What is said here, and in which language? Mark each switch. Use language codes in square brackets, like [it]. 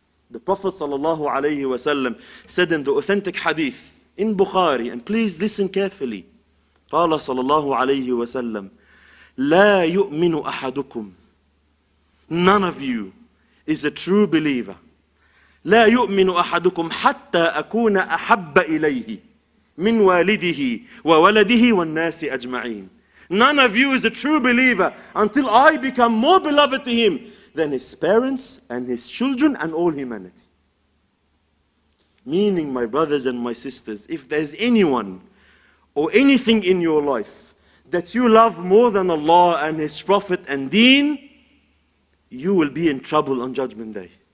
[en] The Prophet sallallahu alayhi wa sallam said in the authentic hadith in Bukhari, and please listen carefully, قال sallallahu alayhi wa sallam, [ar] لا يؤمن أحدكم. [en] None of you is a true believer. [ar] لا يؤمن أحدكم حتى أكون أحب إليه من والده وولده والناس أجمعين. [en] None of you is a true believer until I become more beloved to him than his parents and his children and all humanity. Meaning, my brothers and my sisters, if there's anyone or anything in your life that you love more than Allah and His Prophet and Deen, you will be in trouble on Judgment Day.